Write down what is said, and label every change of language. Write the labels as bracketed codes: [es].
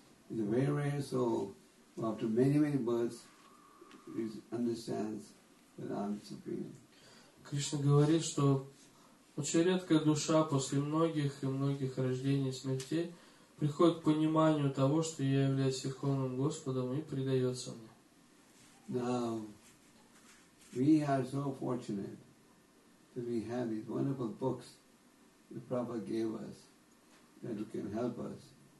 [en] It's a very rare soul who after many, many births understands that I'm supreme. [ru] Кришна говорит, что очень редкая душа после многих и многих рождений и смертей приходит к пониманию того, что я являюсь Верховным Господом и предается мне. [en] Now, we are so fortunate that we have these wonderful books that Prabhupada gave us that can help us.